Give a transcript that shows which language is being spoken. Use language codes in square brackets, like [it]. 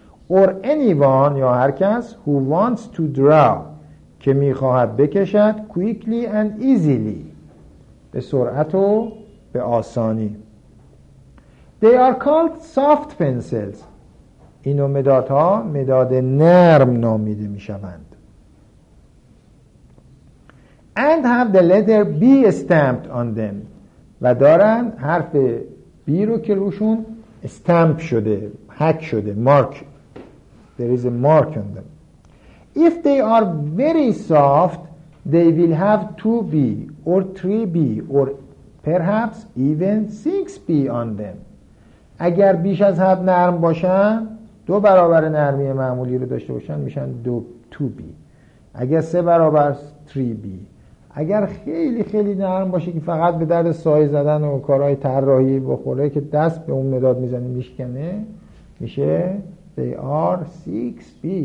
[en] Or anyone, [fa] یا هر کس, [en] who wants to draw, [fa] که میخواهد بکشد, [en] quickly and easily, [fa] به سرعت و به آسانی. [en] They are called soft pencils. [fa] اینو مدادها مداد نرم نامیده میشوند. [en] And have the letter B stamped on them. [fa] و دارن حرف B رو که روشون استمپ شده, حک شده, mark. [en] There is a mark on them. If they are very soft, they will have 2B or 3B or perhaps even 6B on them. [fa] اگر بیش از حد نرم باشن, دو برابر نرمی معمولی رو داشته باشن, میشن 2B. اگر سه برابر 3B. اگر خیلی خیلی نرم باشه که فقط به درد سایه زدن و کارهای طراحی بخوره که دست به اون مداد میزنه میشکنه, میشه [en] they are 6B.